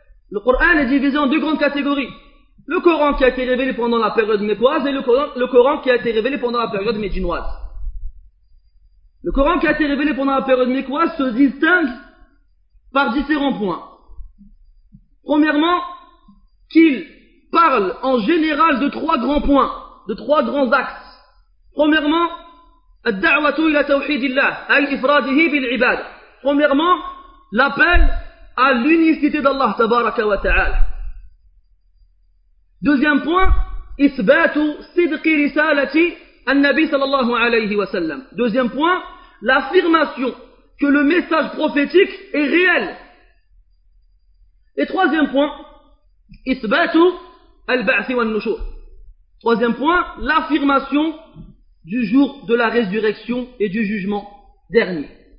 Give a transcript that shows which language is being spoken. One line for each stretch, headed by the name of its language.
French: Le Coran est divisé en deux grandes catégories. Le Coran qui a été révélé pendant la période mécoise et le Coran qui a été révélé pendant la période médinoise. Le Coran qui a été révélé pendant la période mécoise se distingue par différents points. Premièrement, qu'il parle en général de trois grands points, de trois grands axes.
Arabic: Premièrement, الدعوة إلى توحيد الله أي إفراده بالعبادة.
French: Premièrement, l'appel à l'unicité d'Allah
Arabic: تبارك وتعالى.
French: Deuxième point,
Arabic: إثبات صدق رسالة النبي صلى الله عليه وسلم.
French: Deuxième point, l'affirmation que le message prophétique est réel. Et troisième point,
Arabic: إثبات البعث والنشور.
French: Troisième point, l'affirmation du jour de la résurrection et du jugement dernier.